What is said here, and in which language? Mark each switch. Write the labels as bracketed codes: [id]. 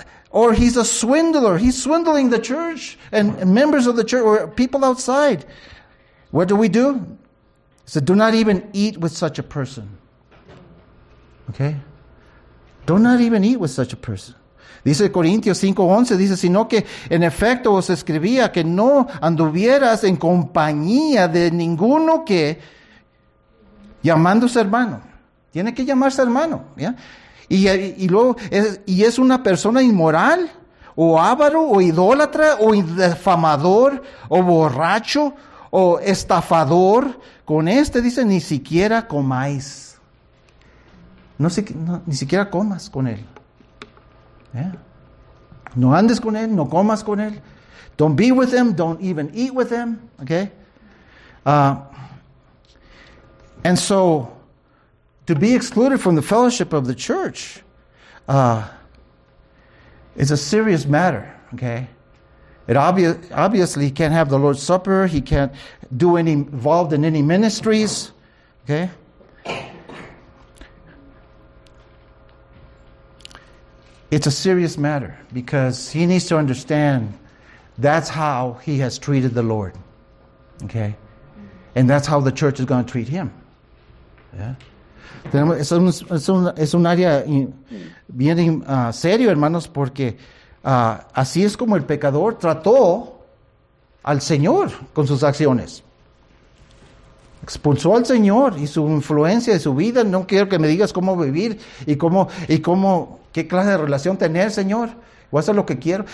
[en] Or he's a swindler. He's swindling the church and members of the church or people outside. What do we do? He said, do not even eat with such a person. Okay? Do not even eat with such a person. [es] Dice Corintios 5:11, dice, sino que en efecto os escribía que no anduvieras en compañía de ninguno que llamándose hermano. Tiene que llamarse hermano, ¿ya? Y luego es una persona inmoral, o avaro, o idólatra, o defamador, o borracho, o estafador. Con este dice, ni siquiera comáis. No, ni siquiera comas con él. ¿Ya? No andes con él, no comas con él. [en] Don't be with him, don't even eat with him. And so, to be excluded from the fellowship of the church is a serious matter, okay? It obviously can't have the Lord's Supper. He can't do any involved in any ministries, okay? It's a serious matter because he needs to understand that's how he has treated the Lord, okay? And that's how the church is going to treat him. Yeah. [es] Es un área bien serio, hermanos, porque así es como el pecador trató al Señor con sus acciones. Expulsó al Señor y su influencia de su vida. No quiero que me digas cómo vivir y cómo qué clase de relación tener, Señor. Voy a hacer lo que quiero.